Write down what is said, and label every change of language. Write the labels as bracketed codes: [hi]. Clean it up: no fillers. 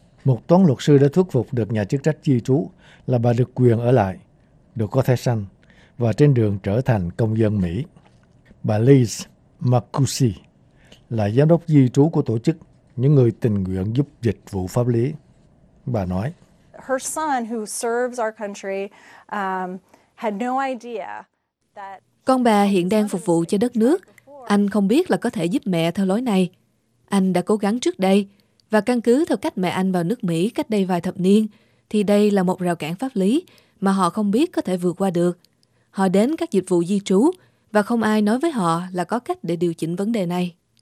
[vi] Một toán luật sư đã thuyết phục được nhà chức trách di trú là bà được quyền ở lại, được có thẻ xanh và trên đường trở thành công dân Mỹ. Bà Liz Marcucci là giám đốc di trú của tổ chức Những Người Tình Nguyện Giúp Dịch Vụ Pháp Lý. Bà nói: [en] Her son who serves our country had no idea that... [vi] Con bà hiện đang phục vụ cho đất nước. Anh không biết là có thể giúp mẹ theo lối này. Anh đã cố gắng trước đây, và căn cứ theo cách mẹ anh vào nước Mỹ cách đây vài thập niên, thì đây là một rào cản pháp lý mà họ không biết có thể vượt qua được. Họ đến các dịch vụ di trú, và không ai nói với họ là có cách để điều chỉnh vấn đề này.